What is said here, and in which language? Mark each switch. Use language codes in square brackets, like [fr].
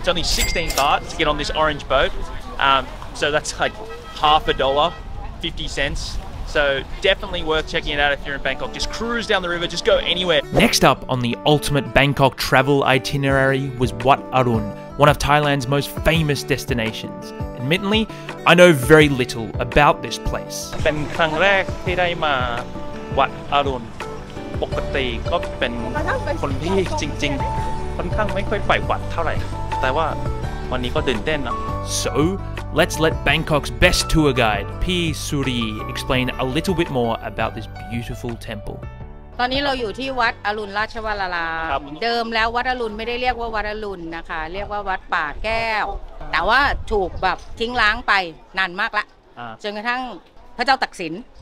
[en] It's only 16 baht to get on this orange boat, so that's like half a dollar, 50 cents. So definitely worth checking it out if you're in Bangkok. Just cruise down the river, just go anywhere. Next up on the ultimate Bangkok travel itinerary was Wat Arun, one of Thailand's most famous destinations. Admittedly, I know very little about this place. [th] เป็นครั้งแรกที่ได้มาวัดอรุณปกติก็เป็นคนที่จริงๆค่อนข้างไม่ค่อยไปวัดเท่าไหร่แต่ว่าวันนี้ก็ตื่นเต้นนะ [en] SoLet's let Bangkok's best tour guide, P. Suri, explain a little bit more about this beautiful temple. [th] ตอนนี้เราอยู่ที่วัดอรุณราชวรารามเดิมแล้ววัดอรุณไม่ได้เรียกว่าวัดอรุณนะคะเรียกว่าวัดป่าแก้วแต่ว่าถูกแบบทิ้งร้างไปนานมากละจนกระทั่งพระเจ้าตักสิน